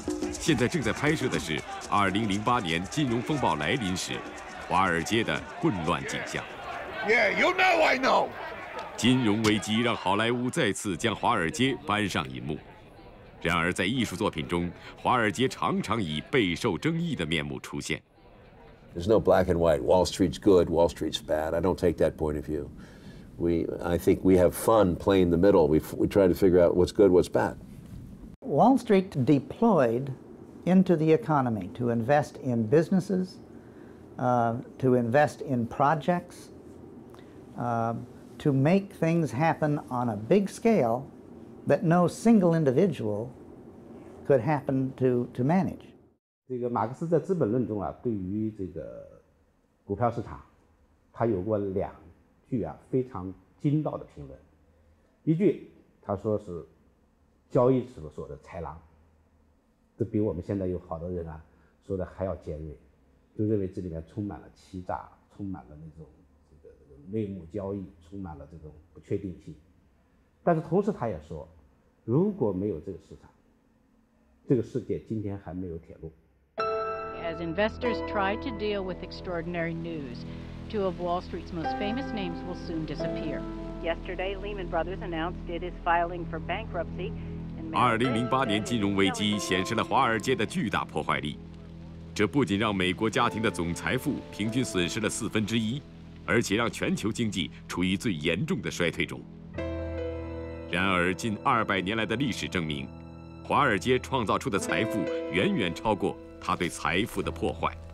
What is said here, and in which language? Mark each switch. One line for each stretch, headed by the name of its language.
Chinese: 现在正在拍摄的是2008年金融风暴来临时华尔街的混乱景象。
English: Yeah, you know I know.
Chinese: 金融危机让好莱坞再次将华尔街搬上银幕。然而在艺术作品中，华尔街常常以备受争议的面目出现。
English: There's no black and white. Wall Street's good, Wall Street's bad. I don't take that point of view. I think we have fun playing the middle. We try to figure out what's good, what's bad. Wall Street deployed into the economy to invest in businesses, to invest in projects, to make things happen on a big scale that no single individual could happen to manage.
Chinese: 这个马克思在《资本论》中啊，对于这个股票市场，他有过两。非常精到的评论，一句他说是交易者所的豺狼，这比我们现在有好多人啊说的还要尖锐，就认为这里面充满了欺诈，充满了那种这个内幕交易，充满了这种不确定性。但是同时他也说，如果没有这个市场，这个世界今天还没有铁路。
English: As investors try to deal with extraordinary news. Two of Wall Street's most famous names will soon disappear. Yesterday, Lehman Brothers announced it is filing for bankruptcy.
Chinese: 2008年金融危机显示了华尔街的巨大破坏力。这不仅让美国家庭的总财富平均损失了四分之一，而且让全球经济处于最严重的衰退中。然而，近200年来的历史证明，华尔街创造出的财富远远超过它对财富的破坏。